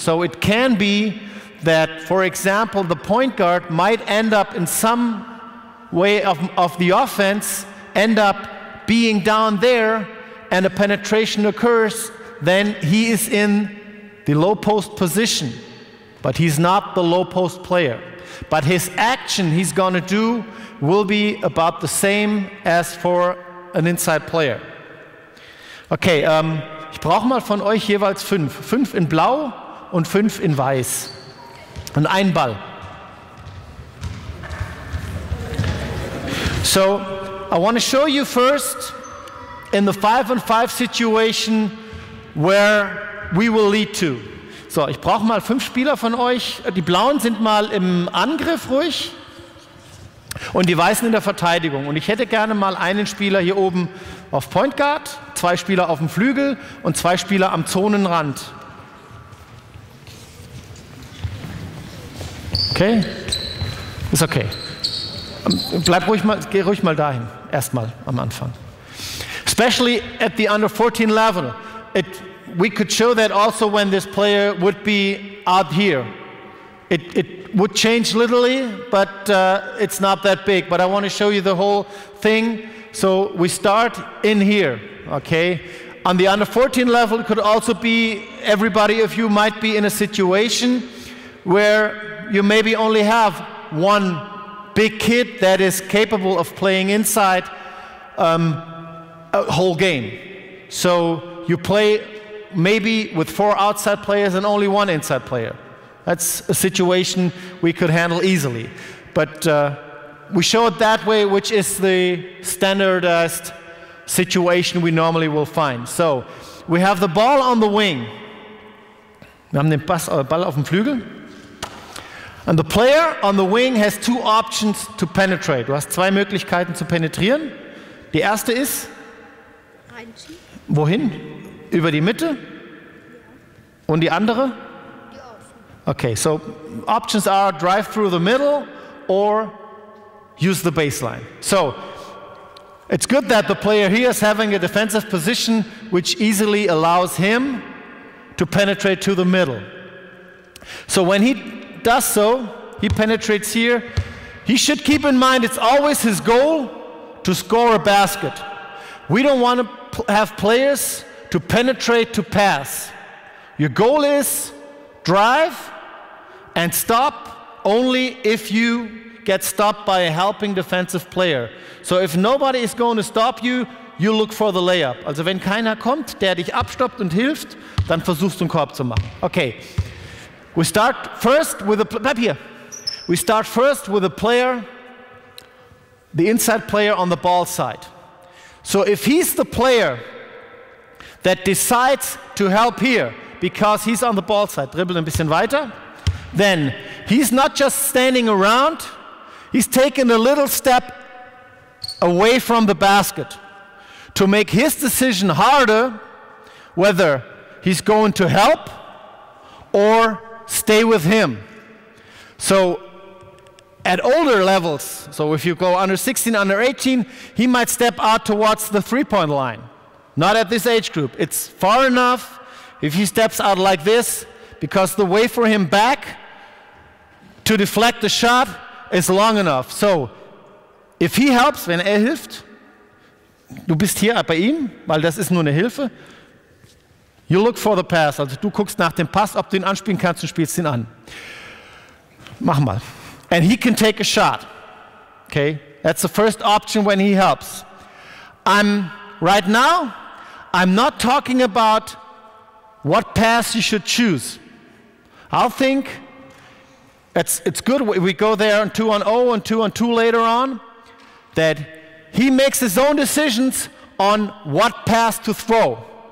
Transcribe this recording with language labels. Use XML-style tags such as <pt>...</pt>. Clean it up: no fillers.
<en>So it can be that, for example, the point guard might end up in some way of the offense, end up being down there, and a penetration occurs, then he is in the low post position, but he's not the low post player. But his action he's gonna do will be about the same as for an inside player.</en> <de>Okay, ich brauche mal von euch jeweils fünf. Fünf in blau und fünf in weiß. Und ein Ball.</de> <en>So, I want to show you first in the 5-on-5 situation where we will lead to.</en> <de>So, ich brauche mal fünf Spieler von euch. Die Blauen sind mal im Angriff ruhig und die Weißen in der Verteidigung. Und ich hätte gerne mal einen Spieler hier oben auf Point Guard, zwei Spieler auf dem Flügel und zwei Spieler am Zonenrand. Okay, ist okay. Bleib ruhig mal, geh ruhig mal dahin, erstmal am Anfang.</de> <en>Especially at the under 14 level, we could show that also when this player would be out here. It would change literally, but it's not that big. But I want to show you the whole thing. So we start in here, okay? On the under 14 level, it could also be everybody of you might be in a situation where you maybe only have one big kid that is capable of playing inside a whole game. So you play maybe with four outside players and only one inside player. That's a situation we could handle easily. But we show it that way, which is the standardized situation we normally will find. So we have the ball on the wing.</en> <de>Wir haben den Ball auf dem Flügel.</de> <en>And the player on the wing has two options to penetrate.</en> <de>Du hast zwei Möglichkeiten zu penetrieren. Die erste ist? Reinschieben. Wohin? Über die Mitte? Ja. Und die andere? Die offen.</de> <en>Okay, so options are drive through the middle or use the baseline. So, it's good that the player here is having a defensive position which easily allows him to penetrate to the middle. So when he does so, he penetrates here, he should keep in mind it's always his goal to score a basket. We don't want to have players to penetrate to pass. Your goal is drive and stop only if you get stopped by a helping defensive player. So if nobody is going to stop you, you look for the layup.</en> <de>Also wenn keiner kommt, der dich abstoppt und hilft, dann versuchst du einen Korb zu machen. Okay.</de> <en>We start first with a player, the inside player on the ball side. So if he's the player that decides to help here because he's on the ball side,</en> <de>dribble ein bisschen weiter,</de> <en>then he's not just standing around, he's taking a little step away from the basket to make his decision harder whether he's going to help or stay with him. So at older levels, so if you go under 16, under 18, he might step out towards the three-point line. Not at this age group. It's far enough if he steps out like this because the way for him back to deflect the shot is long enough. So if he helps,</en> <de>wenn hilft, du bist hier bei ihm, weil das ist nur eine Hilfe.</de> <en>You look for the pass.</en> <de>Also du guckst nach dem Pass, ob du ihn anspielen kannst und spielst ihn an. Mach mal.</de> <en>And he can take a shot. Okay? That's the first option when he helps. Right now, I'm not talking about what pass you should choose. I'll think it's good we go there on 2-on-0 and 2-on-2 later on that he makes his own decisions on what pass to throw.</en>